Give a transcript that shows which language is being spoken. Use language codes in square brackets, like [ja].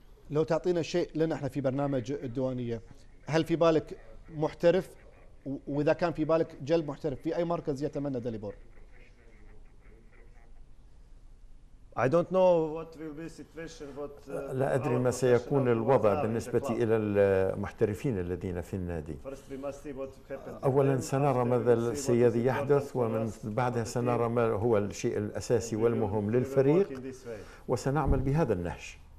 [ar] لو تعطينا شيء لنا إحنا في برنامج الديوانية، هل في بالك محترف؟ وإذا كان في بالك جلب محترف في أي مركز يتمنى داليبور؟ [en] I don't know what will be situation, but [ar] لا أدري ما سيكون الوضع بالنسبة إلى المحترفين الذين في النادي. أولاً سنرى ماذا سيذي يحدث، ومن بعدها سنرى ما هو الشيء الأساسي والمهم للفريق، وسنعمل بهذا النهج.